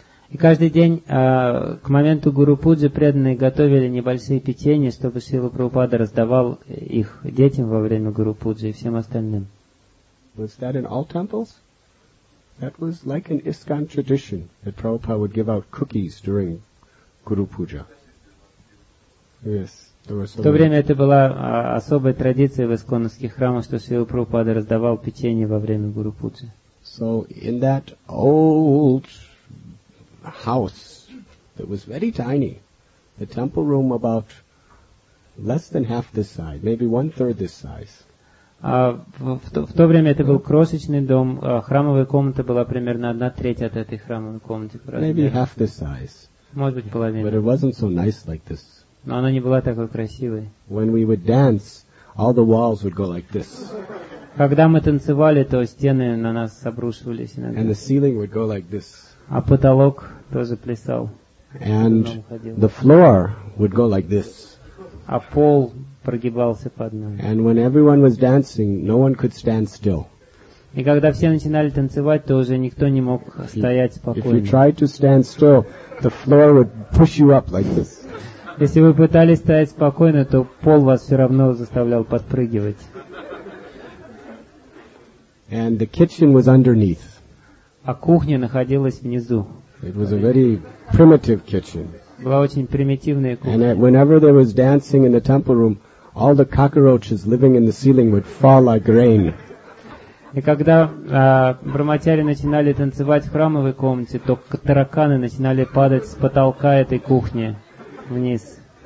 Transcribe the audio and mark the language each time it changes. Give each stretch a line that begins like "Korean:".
Russian: И каждый день к моменту Гуру Пуджи преданные готовили небольшие печенья, чтобы Шрила Прабхупада раздавал их детям во время Гуру Пуджи и всем остальным.
English: Was that in all temples? That was like an ISKCON tradition that Prabhupada would give out cookies during Guru Puja. Yes, there were so many.
Russian: В то время это была особая традиция в исконных храмах, что Шрила Прабхупада раздавал печенье во время Гуру Пуджи.
English: So in that old house that was very tiny, the temple room about less than half this size, maybe one third this size.
Russian: В то время это был крошечный дом, храмовая комната была примерно одна треть от этой храмовой комнаты.
English: Maybe half this size.
Russian: Может быть половина.
English: But it wasn't so nice like this.
Russian: Но она не была такой красивой.
English: When we would dance, all the walls would go like this.
Russian: Когда мы танцевали, то стены на нас обрушивались иногда.
English: And the ceiling would go like this.
Russian: А потолок тоже плясал.
English: And the floor would go like this.
Russian: А пол прогибался под нами.
English: And when everyone was dancing, no one could stand still.
Russian: И когда все начинали танцевать, то уже никто не мог стоять спокойно.
English: If you tried to stand still, the floor would push you up like this.
Russian: Если вы пытались стоять спокойно, то пол вас все равно заставлял подпрыгивать.
English: And the kitchen was underneath.
Russian: А кухня находилась внизу.
English: It was a very primitive kitchen.
Russian: Была очень примитивная кухня.
English: And whenever there was dancing in the temple room, all the cockroaches living in the ceiling would fall like rain.
Russian: И когда брахмачари начинали танцевать в храмовой комнате, то тараканы начинали падать с потолка этой кухни вниз.